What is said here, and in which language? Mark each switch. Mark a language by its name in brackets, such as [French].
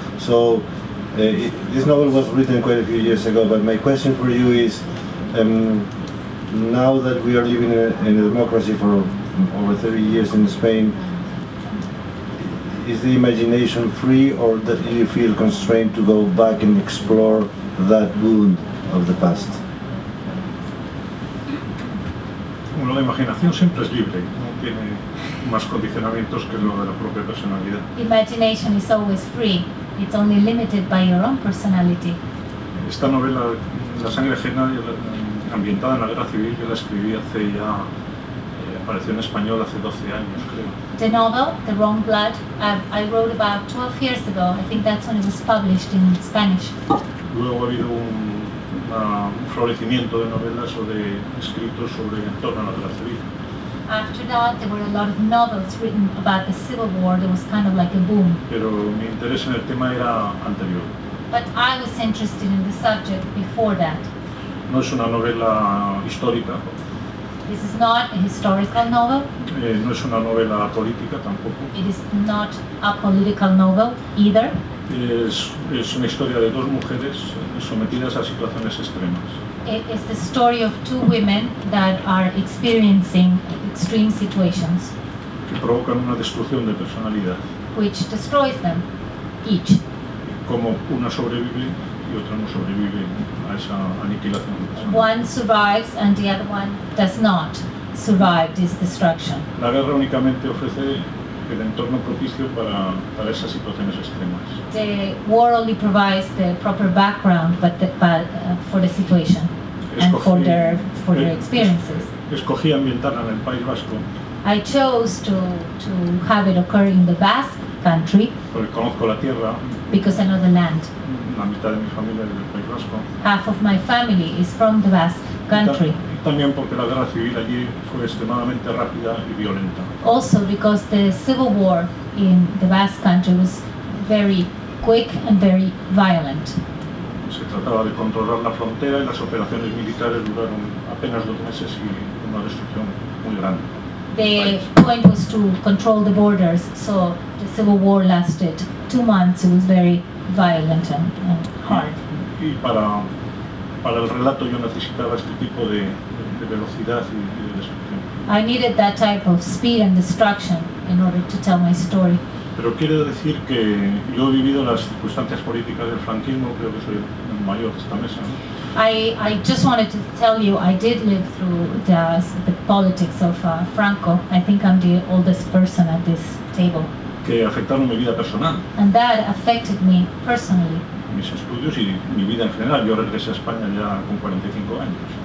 [English] So this novel was written quite a few years ago, but my question for you is, now that we are living in a democracy for over 30 years in Spain, is the imagination free, or do you feel constrained to go back and explore that wound of the past? [Spanish] Bueno, la imaginación siempre es libre, no tiene más condicionamientos que lo de la propia personalidad. [English] Imagination is always free, it's only limited by your own personality. [Spanish] Esta novela, La sangre ajena, ambientada en la guerra civil, yo la escribí hace ya, apareció en español hace 12 años, creo. [English] The novel, The Wrong Blood, I wrote about 12 years ago, I think that's when it was published in Spanish. [Spanish] Luego ha habido un florecimiento de novelas o de escritos sobre el entorno de la guerra civil. [English] After that, there were a lot of novels written about the Civil War. There was kind of like a boom. [Spanish] Pero mi interés en el tema era anterior. [English] But I was interested in the subject before that. [Spanish] No es una novela histórica. [English] This is not a historical novel. [Spanish] No es una novela política tampoco. [English] It is not a political novel either. [Spanish] Es una historia de dos mujeres sometidas a situaciones extremas. [English] It is the story of two women that are experiencing extreme situations. [Spanish] Que provocan una destrucción de personalidad. [English] Which destroys them, each. [Spanish] Como una sobrevive y otra no sobrevive a esa aniquilación de personalidad. [English] One survives and the other one does not survive this destruction. [Spanish] La guerra únicamente ofrece el entorno propicio para esas situaciones extremas. [English] The war only provides the proper background, but for the situation and for their experiences. [Spanish] Escogí ambientarla en el País Vasco. [English] I chose to have it occur in the Basque country. [Spanish] Porque conozco la tierra. [English] Because I know the land. [Spanish] La mitad de mi familia es del País Vasco. [English] Half of my family is from the Basque country. [Spanish] También porque la guerra civil allí fue extremadamente rápida y violenta. [English] Also because the civil war in the Basque country was very quick and very violent. [Spanish] Se trataba de controlar la frontera y las operaciones militares duraron apenas dos meses y una destrucción muy grande. [English] The point was to control the borders, so the civil war lasted 2 months. It was very violent and hard. [Spanish] Y para el relato yo necesitaba este tipo de velocidad y de destrucción. [English] I needed that type of speed and destruction in order to tell my story. [Spanish] Pero quiero decir que yo he vivido las circunstancias políticas del franquismo, creo que soy el mayor de esta mesa, ¿no? [English] I just wanted to tell you I did live through the politics of Franco. I think I'm the oldest person at this table. [Spanish] Que afectaron mi vida personal. [English] And that affected me personally. [Spanish] Mis estudios y mi vida en general. Yo regresé a España ya con 45 años.